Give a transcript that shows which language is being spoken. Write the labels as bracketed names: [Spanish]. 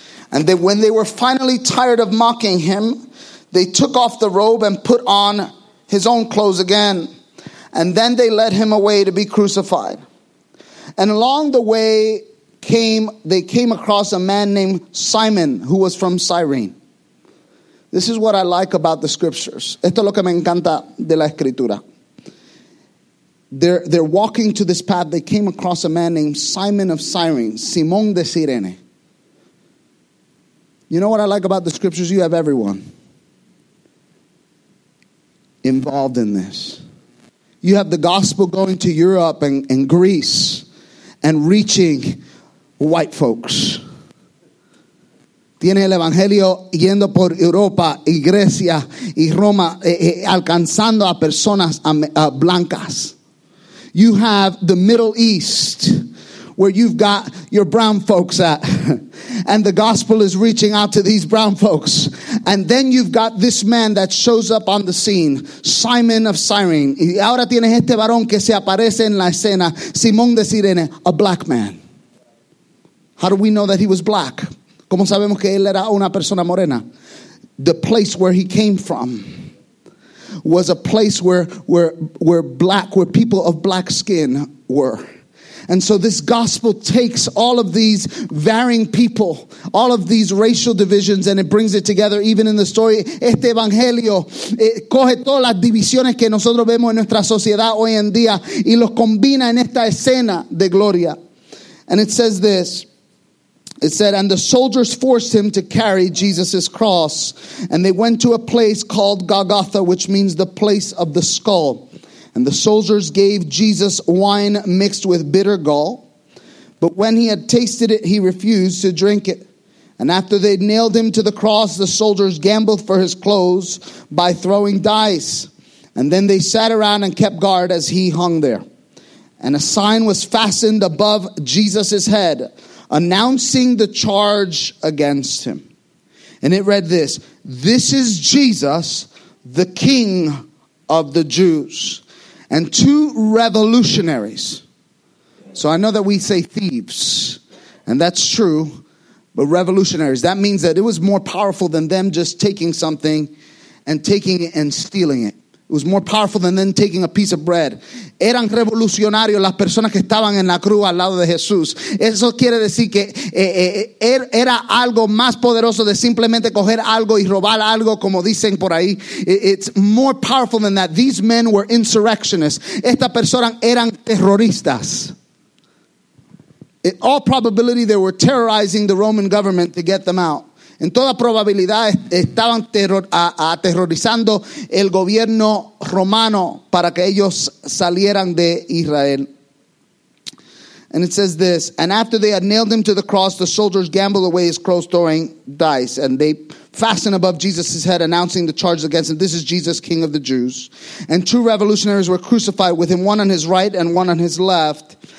[English] And then when they were finally tired of mocking him, they took off the robe and put on his own clothes again. And then they led him away to be crucified. And along the way they came across a man named Simon, who was from Cyrene. This is what I like about the scriptures. [Spanish] Esto es lo que me encanta de la escritura. [English] They're walking to this path. They came across a man named Simon of Cyrene, Simón de Cirene. You know what I like about the scriptures? You have everyone involved in this. You have the gospel going to Europe and Greece and reaching white folks. [Spanish] Tiene el evangelio yendo por Europa y Grecia y Roma, alcanzando a personas blancas. [English] You have the Middle East, where you've got your brown folks at, and the gospel is reaching out to these brown folks. And then you've got this man that shows up on the scene, Simon of Cyrene. [Spanish] Y ahora tienes este varón que se aparece en la escena, Simón de Cirene, [English] a black man. How do we know that he was black? [Spanish] ¿Cómo sabemos que él era una persona morena? [English] The place where he came from was a place where people of black skin were. And so this gospel takes all of these varying people, all of these racial divisions, and it brings it together even in the story. [Spanish] Este evangelio coge todas las divisiones que nosotros vemos en nuestra sociedad hoy en día y los combina en esta escena de gloria. [English] And it says this. It said, and the soldiers forced him to carry Jesus' cross. And they went to a place called Golgotha, which means the place of the skull. And the soldiers gave Jesus wine mixed with bitter gall. But when he had tasted it, he refused to drink it. And after they nailed him to the cross, the soldiers gambled for his clothes by throwing dice. And then they sat around and kept guard as he hung there. And a sign was fastened above Jesus' head, announcing the charge against him. And it read this, "This is Jesus, the King of the Jews." And two revolutionaries. So I know that we say thieves, and that's true, but revolutionaries. That means that it was more powerful than them just taking something and taking it and stealing it. It was more powerful than them taking a piece of bread. [Spanish] Eran revolucionarios las personas que estaban en la cruz al lado de Jesús. Eso quiere decir que era algo más poderoso de simplemente coger algo y robar algo, como dicen por ahí. [English] It's more powerful than that. These men were insurrectionists. [Spanish] Estas personas eran terroristas. [English] In all probability, they were terrorizing the Roman government to get them out. [Spanish] En toda probabilidad estaban aterrorizando el gobierno romano para que ellos salieran de Israel. [English] And it says this, and after they had nailed him to the cross, the soldiers gambled away his clothes, throwing dice, and they fastened above Jesus' head, announcing the charges against him. This is Jesus, King of the Jews. And two revolutionaries were crucified with him, one on his right and one on his left.